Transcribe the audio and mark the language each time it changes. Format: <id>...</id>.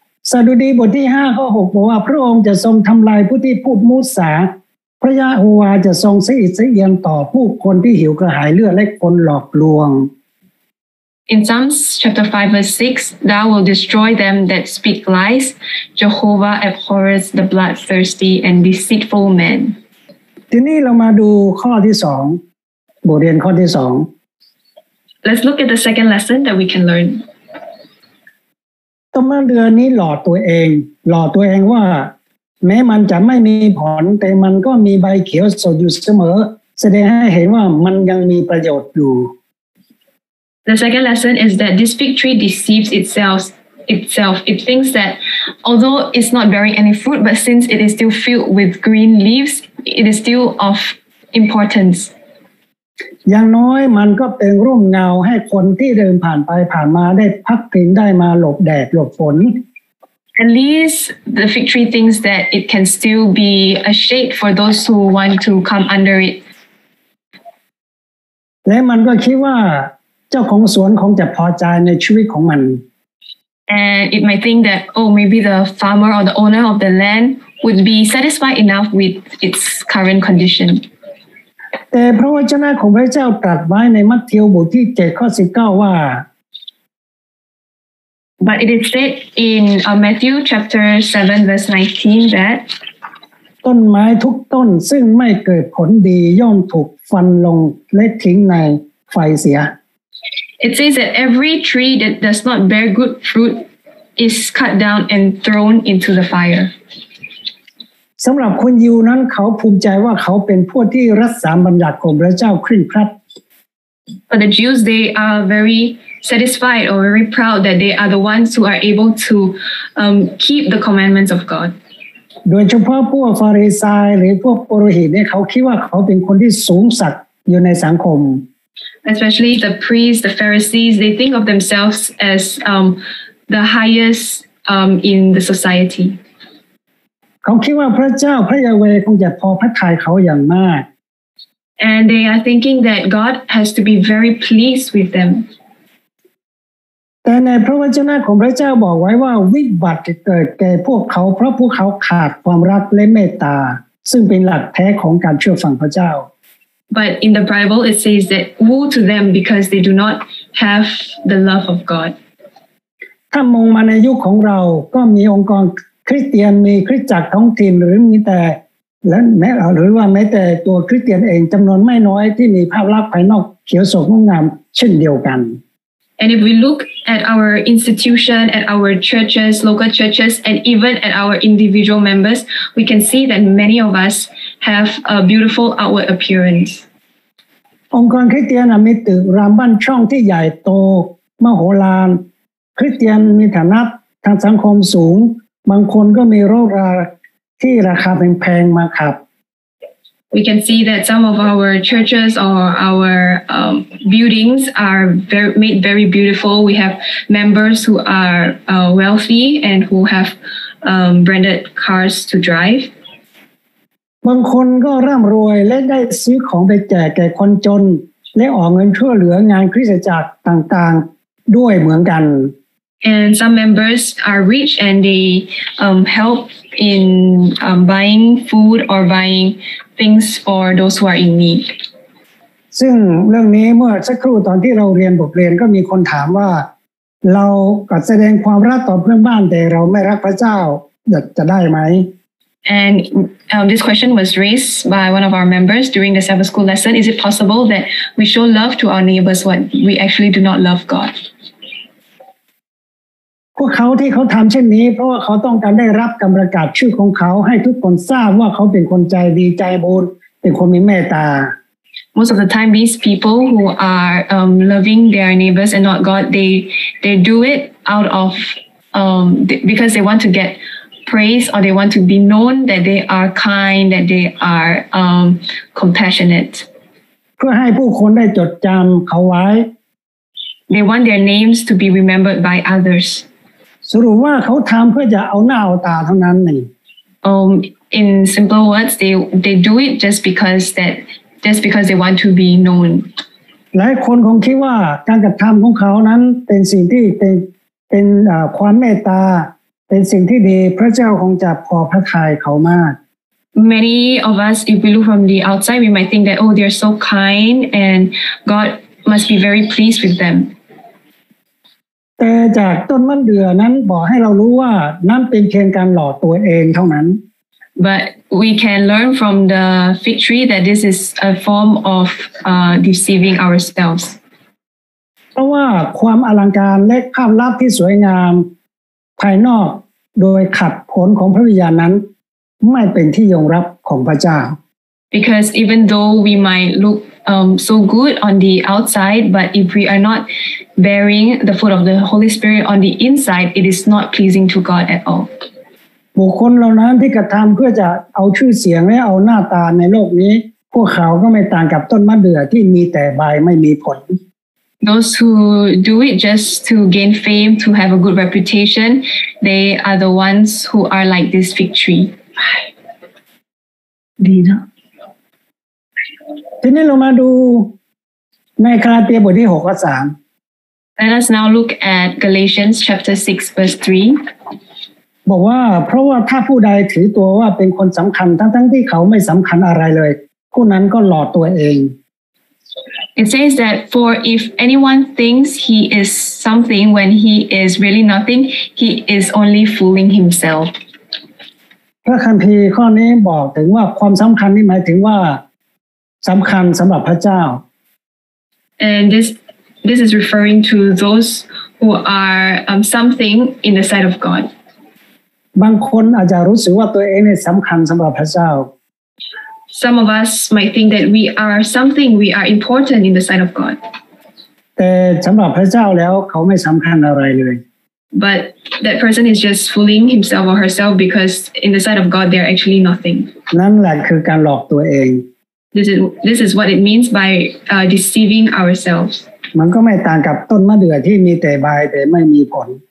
<th>สดุดีบทที่5ข้อ6บอกว่าพระองค์จะทรงทำลายผู้ที่พูดมุสาพระยะโฮวาจะทรงสิทธิ์เสียงต่อผู้คนที่หิวกระหายเลือดและคนหลอกลวง</th> <en>In Psalms chapter 5 verse 6, Thou will destroy them that speak lies. Jehovah abhors the bloodthirsty and deceitful men.</en> <th>ทีนี้เรามาดูข้อที่สองบทเรียนข้อที่สอง</th> <en>Let's look at the second lesson that we can learn.</en> <th>ต้นมะเดื่อนี้หล่อตัวเองหล่อตัวเองว่าแม้มันจะไม่มีผลแต่มันก็มีใบเขียวสดอยู่เสมอแสดงให้เห็นว่ามันยังมีประโยชน์อยู่</th> <en>The second lesson is that this fig tree deceives itself. It thinks that although it's not bearing any fruit, but since it is still filled with green leaves, it is still of importance.</en> <th>อย่างน้อยมันก็เป็นร่มเงาให้คนที่เดินผ่านไปผ่านมาได้พักผิงได้มาหลบแดดหลบฝน</th> <en>At least the fig tree thinks that it can still be a shade for those who want to come under it.</en> <th>และมันก็คิดว่าเจ้าของสวนคงจะพอใจในชีวิตของมัน</th> <en>And it might think that oh maybe the farmer or the owner of the land would be satisfied enough with its current condition</en> <th>แต่พระวจนะของพระเจ้าตรัสไว้ในมัทธิวบทที่7ข้อ19ว่า</th> <en>But it is said in Matthew chapter 7 verse 19 that</en> <th>ต้นไม้ทุกต้นซึ่งไม่เกิดผลดีย่อมถูกฟันลงและทิ้งในไฟเสีย</th> <en>It says that every tree that does not bear good fruit is cut down and thrown into the fire.</en> <th>สำหรับคนยิวนั้นเขาภูมิใจว่าเขาเป็นพวกที่รักษาบัญญัติของพระเจ้าเคร่งครัด</th> <en>But the Jews, they are very satisfied or very proud that they are the ones who are able to keep the commandments of God.</en> <th>โดยเฉพาะพวกฟาริสายหรือพวกปุโรหิตเนี่ยเขาคิดว่าเขาเป็นคนที่สูงศักดิ์อยู่ในสังคม</th> <en>especially the priests, the Pharisees, they think of themselves as the highest in the society.</en> <th>เขาคิดว่าพระเจ้าพระยาเวคงจะพอพระทัยเขาอย่างมาก</th> <en>And they are thinking that God has to be very pleased with them.</en> <th>แต่ในพระวจนะของพระเจ้าบอกไว้ว่าวิบัติเกิดแก่พวกเขาเพราะพวกเขาขาดความรักและเมตตาซึ่งเป็นหลักแท้ของการเชื่อฟังพระเจ้า</th> <en>But in the Bible it says that woe to them because they do not have the love of God.</en> <th>ถ้ามองมาในยุคของเราก็มีองค์กรคริสเตียนมีคริสตจักรท้องถิ่นหรือมีแต่และแม้หรือว่าแม้แต่ตัวคริสเตียนเองจำนวนไม่น้อยที่มีภาพลักษณ์ภายนอกเขียวโศกงดงามเช่นเดียวกัน</th> <en>And if we look at our institution, at our churches, local churches, and even at our individual members, we can see that many of us have a beautiful outward appearance.</en> <th>องค์กรคริสเตียนมีตึกรามบ้านช่องที่ใหญ่โตมโหฬารคริสเตียนมีฐานะทางสังคมสูงบางคนก็มีรถราที่ราคาแพงๆมาขับ</th> <en>We can see that some of our churches or our buildings are very, made very beautiful. We have members who are wealthy and who have branded cars to drive.</en> <th>บางคนก็ร่ำรวยและได้ซื้อของไปแจกแก่คนจนและออกเงินช่วยเหลืองานคริสตจักรต่างๆด้วยเหมือนกัน</th> <en>And some members are rich and they help in buying food or buying things for those who are in need.</en> <th>ซึ่งเรื่องนี้เมื่อสักครู่ตอนที่เราเรียนบทเรียนก็มีคนถามว่าเราก็แสดงความรักต่อเพื่อนบ้านแต่เราไม่รักพระเจ้าจะได้ไหม</th> <en>And this question was raised by one of our members during the Sabbath school lesson. Is it possible that we show love to our neighbors when we actually do not love God?</en> <th>พวกเขาที่เขาทำเช่นนี้เพราะว่าเขาต้องการได้รับการประกาศชื่อของเขาให้ทุกคนทราบว่าเขาเป็นคนใจดีใจบุญเป็นคนมีเมตตา</th> <en>Most of the time these people who are loving their neighbors and not God they do it out of because they want to get praise or they want to be known that they are kind that they are compassionate</en> <th>เพื่อให้ผู้คนได้จดจำเขาไว้</th> <en>They want their names to be remembered by others.</en> <th>สรุปว่าเขาทำเพื่อจะเอาหน้าเอาตาเท่านั้นนี่</th> <en>In simple words, they do it just because they want to be known.</en> <th>หลายคนคงคิดว่าการกระทำของเขานั้นเป็นสิ่งที่เป็นความเมตตาเป็นสิ่งที่ดีพระเจ้าคงจะพอพระทัยเขามาก</th> <en>Many of us, if we look from the outside, we might think that oh, they're so kind and God. Must be very pleased with them.</en> <th>แต่จากต้นมะเดื่อนั้นบอกให้เรารู้ว่านั่นเป็นเพียงการหล่อตัวเองเท่านั้น</th> <en>But we can learn from the fig tree that this is a form of deceiving ourselves.</en> <th>เพราะว่าความอลังการและภาพลักษณ์ที่สวยงามภายนอกโดยขัดผลของพระวิญญาณนั้นไม่เป็นที่ยอมรับของพระเจ้า</th> <en>Because even though we might lookso good on the outside, but if we are not bearing the fruit of the Holy Spirit on the inside, it is not pleasing to God at all.</en> <th>บุคคลเหล่านั้นที่กระทำเพื่อจะเอาชื่อเสียงและเอาหน้าตาในโลกนี้พวกเขาก็ไม่ต่างกับต้นมะเดื่อที่มีแต่ใบไม่มีผล</th> <en>Those who do it just to gain fame, to have a good reputation, they are the ones who are like this fig tree.</en> <th>ดีนะ ทีนี้เรามาดูในกาลาเตียบทที่6ข้อ3</th> <en>Let us now look at Galatians chapter 6 verse 3</en> <th>บอกว่าเพราะว่าถ้าผู้ใดถือตัวว่าเป็นคนสำคัญทั้งที่เขาไม่สำคัญอะไรเลยผู้นั้นก็หลอกตัวเอง</th> <en>It says that for if anyone thinks he is something when he is really nothing he is only fooling himself</en> <th>พระคัมภีร์ข้อนี้บอกถึงว่าความสำคัญนี่หมายถึงว่าสำคัญสำหรับพระเจ้า</th> <en>And this is referring to those who are something in the sight of God.</en> <th>บางคนอาจจะรู้สึกว่าตัวเองเนี่ยสำคัญสำหรับพระเจ้า</th> <en>Some of us might think that we are something, we are important in the sight of God.</en> <th>แต่สำหรับพระเจ้าแล้วเขาไม่สำคัญอะไรเลย</th> <en>But that person is just fooling himself or herself because in the sight of God they are actually nothing.</en> <th>นั่นแหละคือการหลอกตัวเอง</th> <en>This is what it means by deceiving ourselves.</en> <th>มันก็ไม่ต่างกับต้นมะเดื่อที่มีแต่ใบแต่ไม่มีผล</th>